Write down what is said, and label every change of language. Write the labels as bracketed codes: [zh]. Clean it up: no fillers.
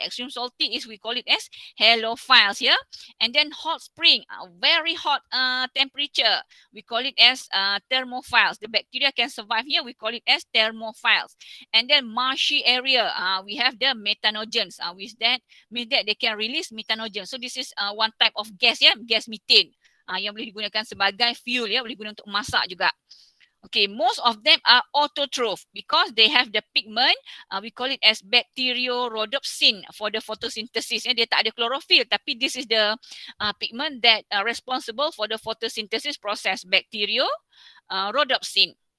[en] Extreme salty is we call it as halophiles here. And then hot spring, very hot temperature. We call it as thermophiles. The bacteria can survive here. We call it as thermophiles. And then marshy area, we have the methanogens. With that, means that they can release methanogens. So this is one type of gas, yeah, gas methane. [ms] Yang boleh digunakan sebagai fuel, ya, boleh guna untuk masak juga. [en] Okay, most of them are autotroph because they have the pigment, we call it as bacteriorhodopsin for the photosynthesis. [ms] Dia tak ada chlorophyll, tapi [en] this is the pigment that responsible for the photosynthesis process, bacteriorhodopsin.